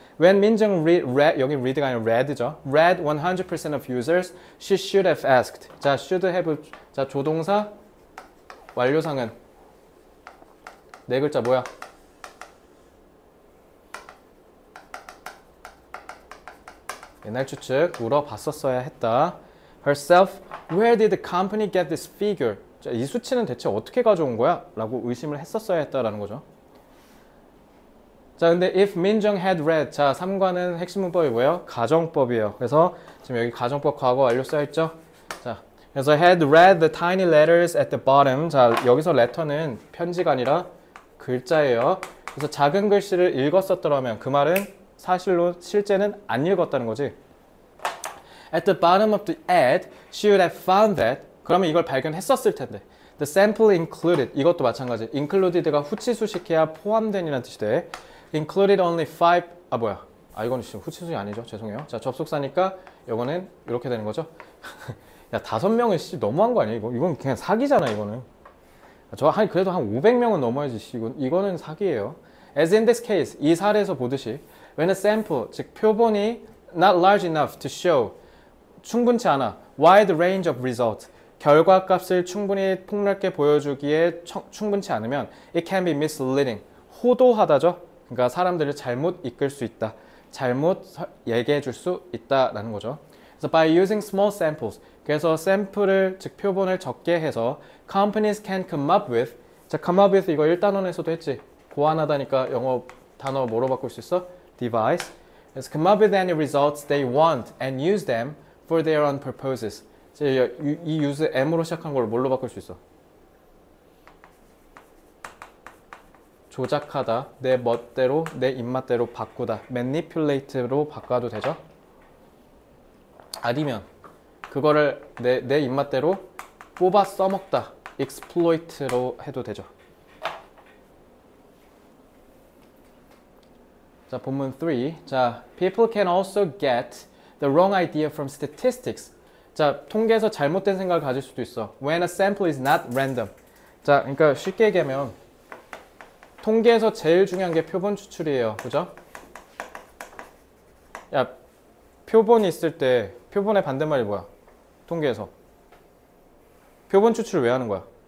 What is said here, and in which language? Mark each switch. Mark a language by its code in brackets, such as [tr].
[en] When Minjung read red, [ko] 여기 read가 아니라 read죠. [en] Read 100% of users, she should have asked. 자, should have. [ko] 자, 조동사 완료상은 네 글자 뭐야? 옛날 추측 물어봤었어야 했다. [en] Herself, where did the company get this figure? [ko] 자, 이 수치는 대체 어떻게 가져온 거야? 라고 의심을 했었어야 했다라는 거죠. 자, 근데 [en] if Minjung had read, [ko] 자, 삼과는 핵심 문법이 뭐예요? 가정법이에요. 그래서 지금 여기 가정법 과거 완료 써 있죠? [en] 자, 그래서 had read the tiny letters at the bottom. [ko] 자, 여기서 letter는 편지가 아니라 글자예요. 그래서 작은 글씨를 읽었었더라면 그 말은 사실로 실제는 안 읽었다는 거지. [en] At the bottom of the ad, she would have found that. [ko] 그러면 이걸 발견했었을 텐데. [en] The sample included. [ko] 이것도 마찬가지. included가 후치수식해야 포함된이라는 뜻이 돼. [en] included only five. 아, 뭐야. [ko] 아, 이건 지금 후치수식 아니죠. 죄송해요. 자, 접속사니까 이거는 이렇게 되는 거죠. 야, 다섯 명은 씨, 너무한 거 아니야? 이건 그냥 사기잖아, 이거는. 저 한, 그래도 한 500명은 넘어야지. 이거는 사기예요. [en] As in this case, [ko] 이 사례에서 보듯이. [en] When a sample, [ko] 즉 표본이 [en] not large enough to show, [ko] 충분치 않아. [en] Wide range of results, [ko] 결과 값을 충분히 폭넓게 보여주기에 충분치 않으면 [en] it can be misleading, 호도하다죠? [ko] 그러니까 사람들을 잘못 이끌 수 있다, 잘못 얘기해 줄수 있다라는 거죠. 그래서 by using small samples, 그래서 샘플을 즉 표본을 적게 해서 [en] companies can come up with, [ko] 자 come up with 이거 1단원에서도 했지. 보완하다니까 영어 단어 뭐로 바꿀 수 있어? [en] device. Let's come up with any results they want and use them for their own purposes. [ko] 이 use m으로 시작한 걸 뭘로 바꿀 수 있어? 조작하다, 내 멋대로, 내 입맛대로 바꾸다, manipulate로 바꿔도 되죠? 아니면 그거를 내 입맛대로 뽑아 써먹다, exploit로 해도 되죠. 자, 본문 3. [en] 자, people can also get the wrong idea from statistics. [ko] 자, 통계에서 잘못된 생각을 가질 수도 있어. [en] When a sample is not random. [ko] 자, 그러니까 쉽게 얘기하면 통계에서 제일 중요한 게 표본 추출이에요. 그죠? 야, 표본이 있을 때 표본의 반대말이 뭐야? 통계에서. 표본 추출을 왜 하는 거야?